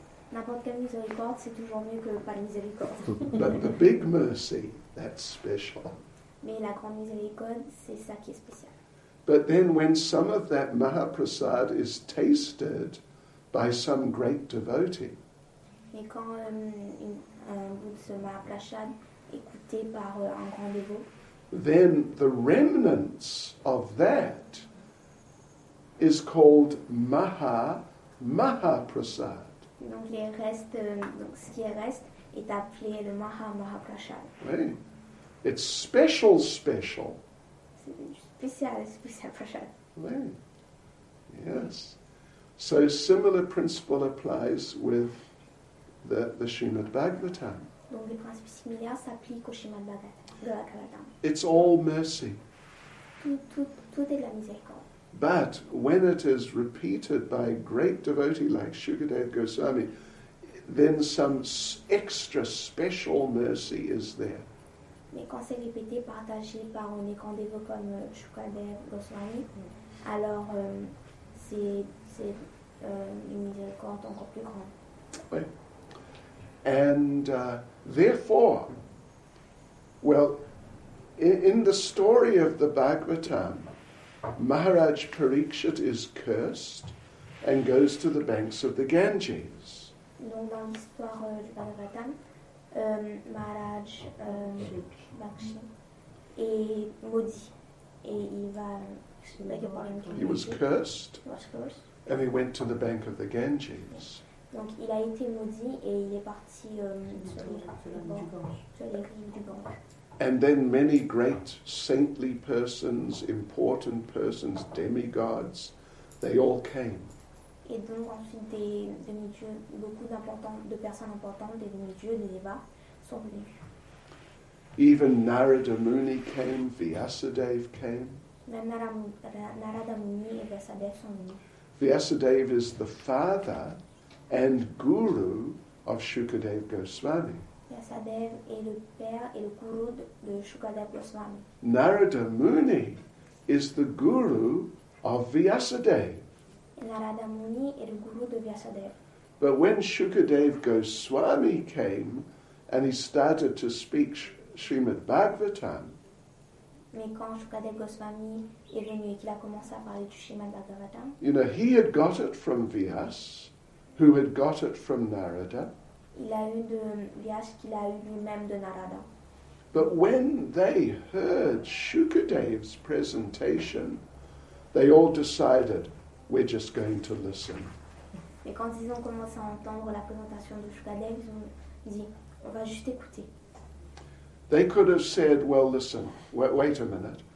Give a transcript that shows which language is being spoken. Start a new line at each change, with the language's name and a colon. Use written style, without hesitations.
French: N'importe quelle miséricorde, c'est toujours mieux que pas de miséricorde.
English: But the big mercy, that's special.
French: Mais la grande miséricorde, c'est ça qui est spécial.
English: But then when some of that Mahaprasad is tasted by some great devotee.
French: Mais quand un bout de ce Mahaprasad écouté par un grand dévot.
English: Then the remnants of that is called Mahaprasad.
French: Donc les restes, donc ce qui reste est appelé le Mahaprasad.
English: Oui. It's special, special.
French: Spécial, spécial prasad. Oui. Yes.
English: So similar principle applies with the Srimad Bhagavatam.
French: Donc les principes similaires s'appliquent au Srimad Bhagavatam.
English: It's all mercy.
French: Tout est de la miséricorde.
English: But when it is repeated by a great devotee like Shukadeva Goswami, then some extra special mercy is there.
French: Mais quand c'est répété, partagé par un grand dévot comme Shukadeva Goswami, alors c'est une miséricorde encore plus grande. Oui.
English: And therefore, well, in the story of the Bhagavatam, Maharaj Parikshit is cursed and goes to the banks of the Ganges.
French: Donc dans l'histoire du Bhagavatam, Maharaj Bakshi est maudit et il va
English: He was cursed. And he went to the bank of the Ganges.
French: Donc il a été maudit et il est parti sur les rives du Gange.
English: And then many great saintly persons, important persons, demigods, they all came.
French: Et donc ensuite des demi-dieux, beaucoup d'importants, de personnes importantes, des demi-dieux, des devas sont venus.
English: Even Narada Muni came, Vyasadeva came.
French: Même Narada Muni et Vyasadeva sont venus.
English: Vyasadeva is the father and guru of Shukadeva Goswami.
French: Vyasadeva est le père et le guru de Shukadeva Goswami.
English: Narada Muni is the guru of Vyasadeva.
French: Narada Muni est le guru de Vyasadeva.
English: But when Shukadeva Goswami came and he started to speak Srimad Bhagavatam,
French: mais quand Shukadeva Goswami est venu et qu'il a commencé à parler du Srimad Bhagavatam,
English: you know, he had got it from Vyas, who had got it from Narada.
French: Il a eu de Vyas qu'il a eu lui-même de Narada.
English: But when they heard Shukadeva's presentation, they all decided, we're just going to listen.
French: Mais quand ils ont commencé à entendre la présentation de Shukadeva, ils ont dit, on va juste écouter.
English: They could have said, well, listen, wait a minute.